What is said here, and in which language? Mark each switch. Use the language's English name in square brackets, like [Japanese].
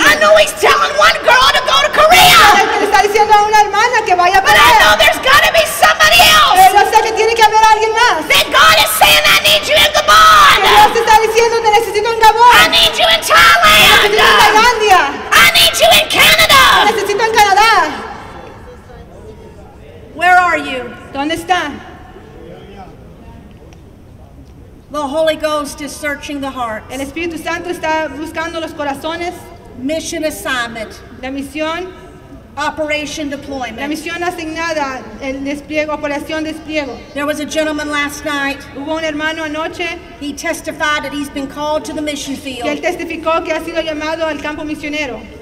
[English] I know He's telling one girl to go to Korea. [Spanish] Que le está diciendo a una hermana que vaya para allá. [English] But I know there's got to be somebody else. [Spanish] Pero sé que tiene que haber alguien más. [English] That God is saying I need you in Gabon. [Spanish] Que Dios está diciendo te necesito en Gabon. [English] I need you in Thailand. [Spanish] Necesito en Tailandia. [English] I need you in Canada. [Spanish] Necesito en Canadá. [English] Where are you? [Spanish] ¿Dónde está? [English] The Holy Ghost is searching the heart. [Spanish] El Espíritu Santo está buscando los corazones. [English] Mission assignment. [Spanish] La misión. [English] Operation deployment. [Spanish] La misión asignada, el despliegue, operación despliegue. [English] There was a gentleman last night. [Spanish] Hubo un hermano anoche. [English] He testified that he's been called to the mission field. [Spanish] Y él testificó que ha sido llamado al campo misionero.